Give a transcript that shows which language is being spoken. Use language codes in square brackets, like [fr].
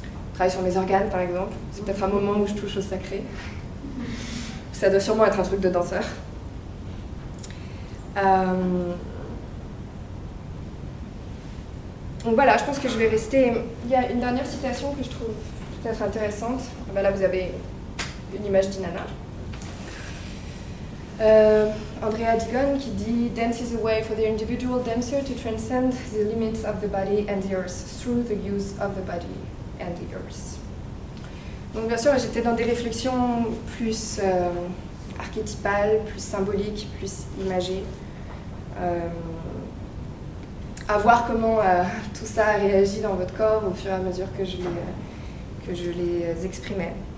[fr] Je travaille sur mes organes, par exemple. C'est peut-être un moment où je touche au sacré. Ça doit sûrement être un truc de danseur. Donc voilà, je pense que je vais rester. Il y a une dernière citation que je trouve peut-être intéressante. Ah ben là, vous avez une image d'Inanna. [en] Andrea Digon [fr] qui dit: [en] Dance is a way for the individual dancer to transcend the limits of the body and the earth through the use of the body and the earth. [fr] Donc bien sûr, j'étais dans des réflexions plus archétypales, plus symboliques, plus imagées. À voir comment tout ça réagit dans votre corps au fur et à mesure que je les exprimais.